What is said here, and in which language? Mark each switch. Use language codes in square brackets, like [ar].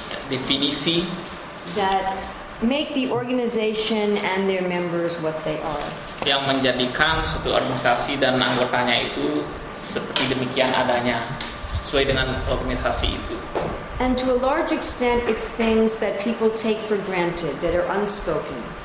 [en] definisi that make the organization and their members what they are. [id] Yang menjadikan suatu organisasi dan anggotanya itu seperti demikian adanya, sesuai dengan organisasi itu. [en] And to a large extent, it's things that people take for granted that are unspoken.